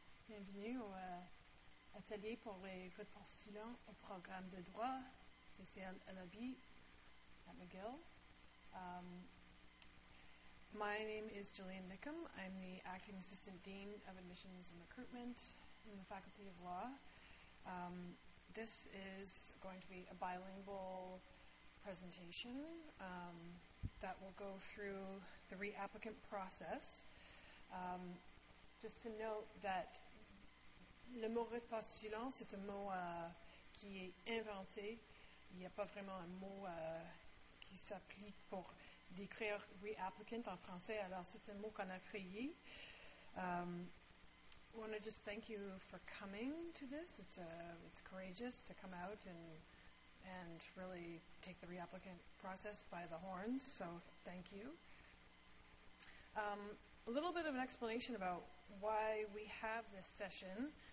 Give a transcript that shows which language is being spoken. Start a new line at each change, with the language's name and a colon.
French: Bienvenue au atelier pour les postulants au programme de droit de CLLB at McGill.
English: My name is Jillian Nickum. I'm the Acting Assistant Dean of Admissions and Recruitment in the Faculty of Law. This is going to be a bilingual presentation that will go through the reapplicant process. Just to note that
French: le mot repostulant, c'est un mot qui est inventé. Il n'y a pas vraiment un mot qui s'applique pour décrire reapplicant en français. Alors, c'est un mot qu'on a créé.
English: I want to just thank you for coming to this. It's courageous to come out and really take the reapplicant process by the horns. So, thank you. A little bit of an explanation about why we have this session.